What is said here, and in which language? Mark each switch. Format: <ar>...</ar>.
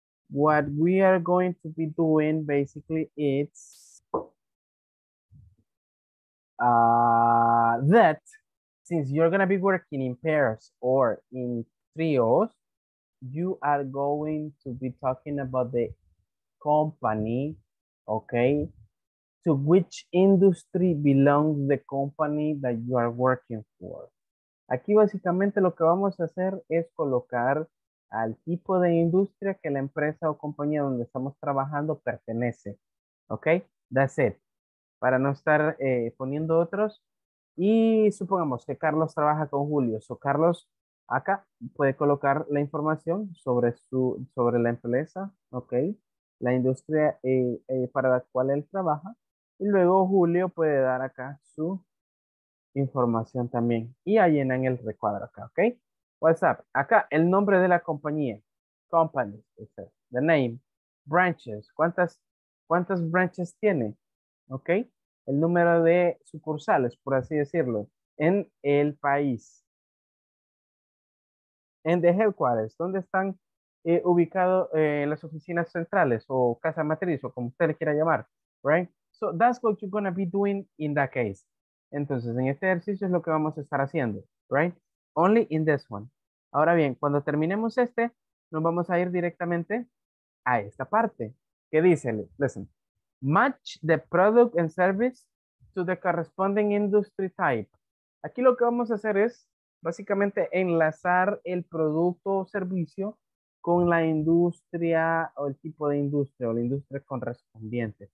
<en>What we are going to be doing basically is that since you're gonna be working in pairs or in trios, you are going to be talking about the company, okay? To which industry belongs the company that you are working for?</en> <es>Aquí básicamente lo que vamos a hacer es colocar al tipo de industria que la empresa o compañía donde estamos trabajando pertenece, okay?</es> <en>That's it.</en> <es>Para no estar poniendo otros. Y supongamos que Carlos trabaja con Julio, o Carlos acá puede colocar la información sobre sobre la empresa, ok, la industria para la cual él trabaja. Y luego Julio puede dar acá su información también. Y ahí llenan el recuadro acá, ok. WhatsApp, acá el nombre de la compañía.</es> <en>Company, the name.</en> <es>Branches, ¿cuántas branches tiene? Ok, el número de sucursales, por así decirlo, en el país. En the headquarters, ¿dónde están ubicados las oficinas centrales o casa matriz o como usted le quiera llamar? Right?</es> <en>So that's what you're going to be doing in that case.</en> <es>Entonces, en este ejercicio es lo que vamos a estar haciendo. Right?</es> <en>Only in this one.</en> <es>Ahora bien, cuando terminemos este, nos vamos a ir directamente a esta parte. ¿Qué dice? Listen.</es> <en>Match the product and service to the corresponding industry type.</en> <es>Aquí lo que vamos a hacer es básicamente enlazar el producto o servicio con la industria o el tipo de industria o la industria correspondiente.</es>